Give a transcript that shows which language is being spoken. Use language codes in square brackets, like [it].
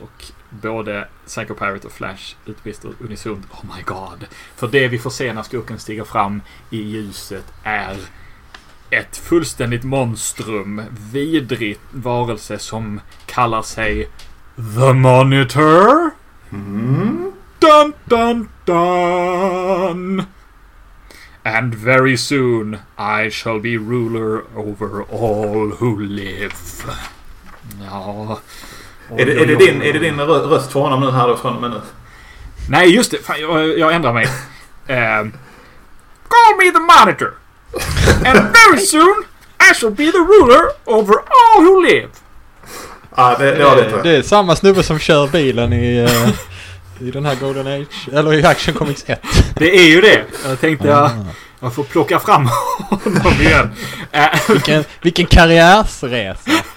[sv] Och både Psycho Pirate och Flash utbrister unisont, [en] oh my god. [sv] För det vi får se när skurken stiger fram i ljuset är ett fullständigt monstrum, vidrig varelse som kallar sig The Monitor. Dun dun dun. [en] And very soon I shall be ruler over all who live. [sv] Ja. Är det din röst för honom nu här då, från och med nu? Nej, just det. Fan, jag ändrar mig. [en] Call me the Monitor. And very soon I shall be the ruler over all who live. [sv] Ja, det är samma snubbe som kör bilen i den här Golden Age, eller i Action Comics 1. Det är ju det. Jag tänkte jag får plocka fram honom igen. Vilken karriärsresa.